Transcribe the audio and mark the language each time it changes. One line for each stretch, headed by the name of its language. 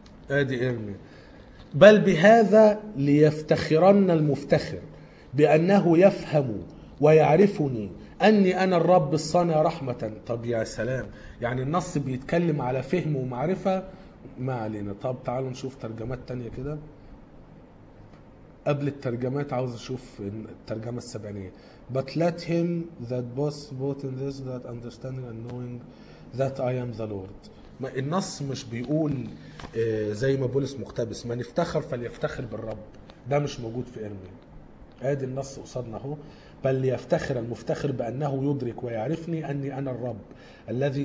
Arabic: ادي إرميا، بل بهذا ليفتخرن المفتخر بأنه يفهم ويعرفني أني أنا الرب الصانع رحمة. طب يا سلام، يعني النص بيتكلم على فهم ومعرفة، ما علينا. طب تعالوا نشوف ترجمات تانية كده. قبل الترجمات عاوز أشوف الترجمة السبعينية.
English: But let him that boasts both in this that understanding and knowing that I am the Lord.
Arabic: ما النص مش بيقول زي ما بولس مقتبس من افتخر فليفتخر بالرب، ده مش موجود في إرميا. ادي النص قصادنا اهو، بل ليفتخر المفتخر بانه يدرك ويعرفني اني انا الرب الذي.